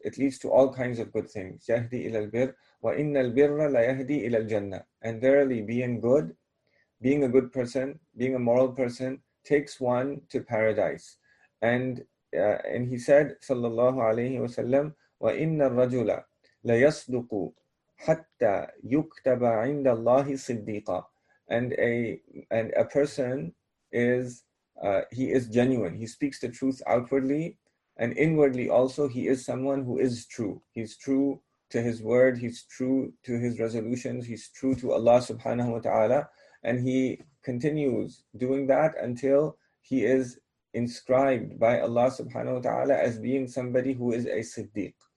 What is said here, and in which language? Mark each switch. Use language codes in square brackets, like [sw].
[en] It leads to all kinds of good things. [ar] يَهْدِي إِلَى الْبِرِّ وَإِنَّ الْبِرَّ لَيَهْدِي إِلَى الْجَنَّةِ. [en] And verily, being good, being a good person, being a moral person, takes one to paradise. And he said, [ar] sallallahu alayhi wa sallam, وَإِنَّ الرَّجُلَ لَيَصْدُقُ حَتَّى يُكْتَبَ عِنْدَ اللَّهِ صِدِّيقًا. [en] And a person is genuine. He speaks the truth outwardly, and inwardly also he is someone who is true. He's true to his word, he's true to his resolutions, he's true to Allah subhanahu wa ta'ala, and he continues doing that until he is inscribed by Allah subhanahu wa ta'ala as being somebody who is a siddiq.